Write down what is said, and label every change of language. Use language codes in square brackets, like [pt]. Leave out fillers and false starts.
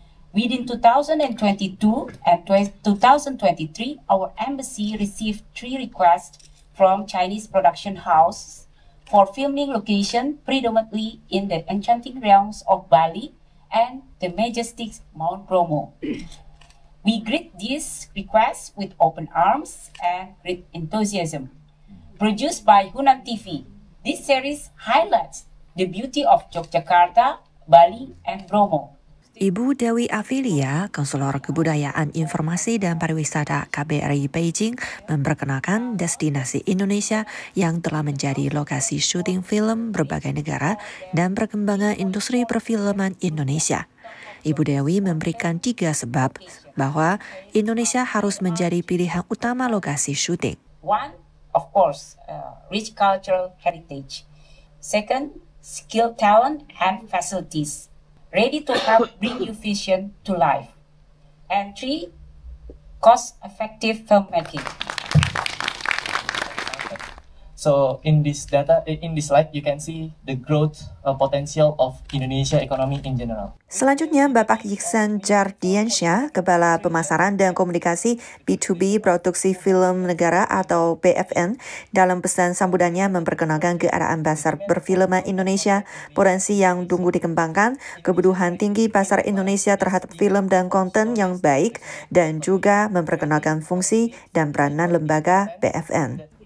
[en] Within 2022 and 2023, our embassy received 3 requests from Chinese production house for filming location predominantly in the enchanting realms of Bali and the majestic Mount Bromo. We greet this request with open arms and great enthusiasm. Produced by Hunan TV, this series highlights the beauty of Yogyakarta, Bali, and Bromo. [id] Ibu Dewi Avilia, Konselor Kebudayaan Informasi dan Pariwisata KBRI Beijing, memperkenalkan destinasi Indonesia yang telah menjadi lokasi syuting film berbagai negara dan perkembangan industri perfilman Indonesia. Ibu Dewi memberikan 3 sebab bahwa Indonesia harus menjadi pilihan utama lokasi syuting. [en] One, of course, rich cultural heritage. Second, skilled talent and facilities. Ready to help bring new vision to life. And 3, cost-effective filmmaking. So in this data, in this slide, you can see the growth potential of Indonesia economy in general. [id] Selanjutnya, Bapak Yixan Jardiansyah, Kepala Pemasaran dan Komunikasi B2B Produksi Film Negara atau BFN, dalam pesan sambutannya memperkenalkan keadaan pasar perfilman Indonesia, potensi yang tunggu dikembangkan, kebutuhan tinggi pasar Indonesia terhadap film dan konten yang baik, dan juga memperkenalkan fungsi dan peranan lembaga BFN.